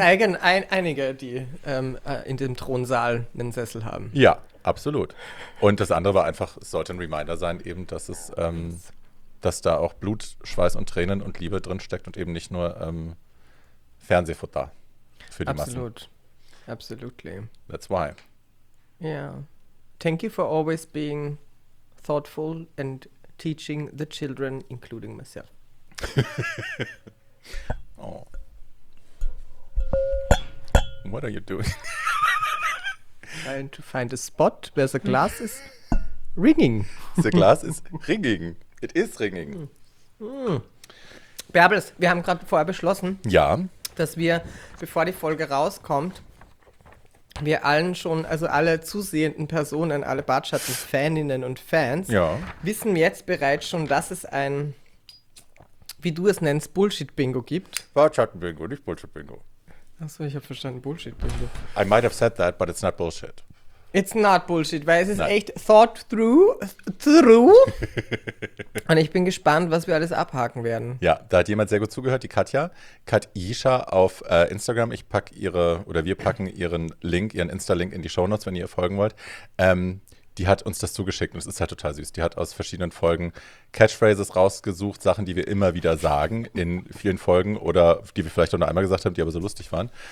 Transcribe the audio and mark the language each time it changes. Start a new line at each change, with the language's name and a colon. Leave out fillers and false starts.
German: Ja, da gibt es einige, die in dem Thronsaal einen Sessel haben. Ja, absolut. Und das andere war einfach, es sollte ein Reminder sein, eben, dass es, dass da auch Blut, Schweiß und Tränen und Liebe drin steckt und eben nicht nur Fernsehfutter für die Absolut. Massen.
English: Absolut. Absolutely. That's why. Yeah. Thank you for always being thoughtful and teaching the children, including myself. Oh. What are you doing? Trying to find a spot where the glass is ringing. The glass is ringing. It is ringing.
German: Bärbels, wir haben gerade vorher beschlossen, dass wir, bevor die Folge rauskommt, wir allen schon, also alle zusehenden Personen, alle Bartschatten-Faninnen und Fans, wissen jetzt bereits schon, dass es ein, wie du es nennst, Bullshit-Bingo gibt. Bartschatten-Bingo, nicht Bullshit-Bingo. Achso, ich habe verstanden, Bullshit-Bingo.
English: I might have said that, but it's not Bullshit. It's not Bullshit,
German: weil es ist echt
English: thought through, through.
German: Und ich bin gespannt, was wir alles abhaken werden. Ja, da hat jemand sehr gut zugehört, die Katja. Katja auf Instagram. Ich packe ihre, oder wir packen ihren Link, ihren Insta-Link in die Shownotes, wenn ihr folgen wollt. Die hat uns das zugeschickt und es ist halt total süß. Die hat aus verschiedenen Folgen Catchphrases rausgesucht, Sachen, die wir immer wieder sagen in vielen Folgen oder die wir vielleicht auch nur einmal gesagt haben, die aber so lustig waren.